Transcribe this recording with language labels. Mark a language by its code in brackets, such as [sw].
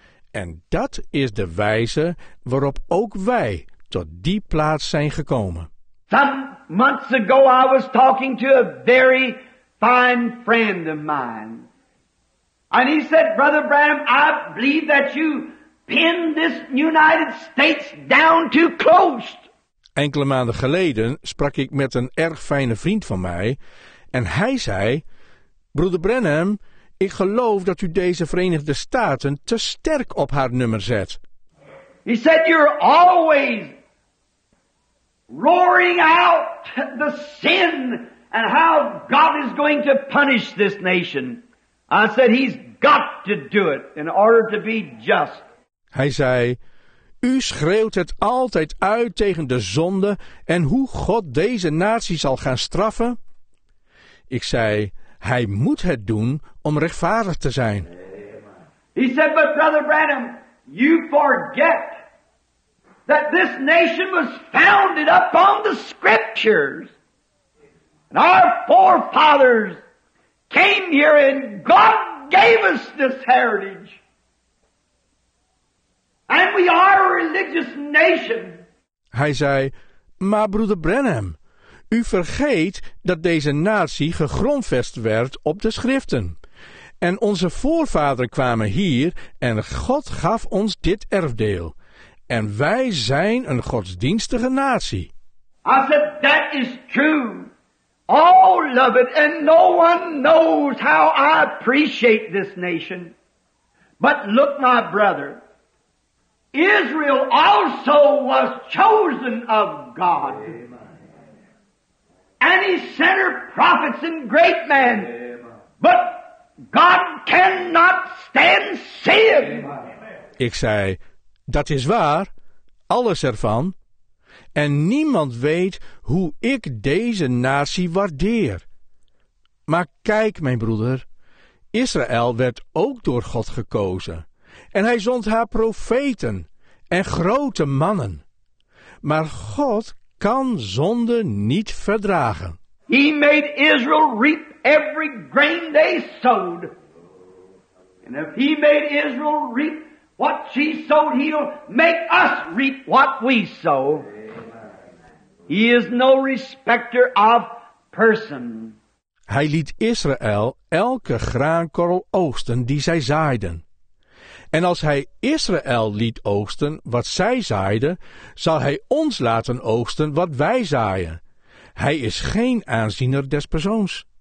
[nl] En dat is de wijze waarop ook wij tot die plaats zijn gekomen. [en] Some months ago I was talking to a very fine friend of mine. And he said, Brother Branham, I believe that you pinned this United States down too close. [nl] Enkele maanden geleden sprak ik met een erg fijne vriend van mij. En hij zei, Broeder Branham, ik geloof dat u deze Verenigde Staten te sterk op haar nummer zet. [en] He said, you're always roaring out the sin and how God is going to punish this nation. I said, he's got to do it in order to be just. [nl] Hij zei, u schreeuwt het altijd uit tegen de zonde en hoe God deze natie zal gaan straffen. Ik zei, hij moet het doen om rechtvaardig te zijn. [en] He said, but Brother Branham, you forget that this nation was founded upon the scriptures. And our forefathers came here and God gave us this heritage. And we are a religious nation. [nl] Hij zei, Maar broeder Branham, u vergeet dat deze natie gegrondvest werd op de schriften. En onze voorvaderen kwamen hier en God gaf ons dit erfdeel. En wij zijn een godsdienstige natie. [en] I said, that is true. Oh, loved, and no one knows how I appreciate this nation. But look, my brother, Israel also was chosen of God. Amen. And he sent her prophets and great men. But God cannot stand sin. [nl] Ik zei, dat is waar, alles ervan. En niemand weet hoe ik deze natie waardeer. Maar kijk, mijn broeder, Israël werd ook door God gekozen. En hij zond haar profeten en grote mannen. Maar God kan zonde niet verdragen. [en] He made Israel reap every grain they sowed. And if he made Israel reap what she sowed, he'll make us reap what we sow. He is no respecter of person. [nl] Hij liet Israël elke graankorrel oogsten die zij zaaiden. En als hij Israël liet oogsten wat zij zaaiden, zal hij ons laten oogsten wat wij zaaien. Hij is geen aanziener des persoons.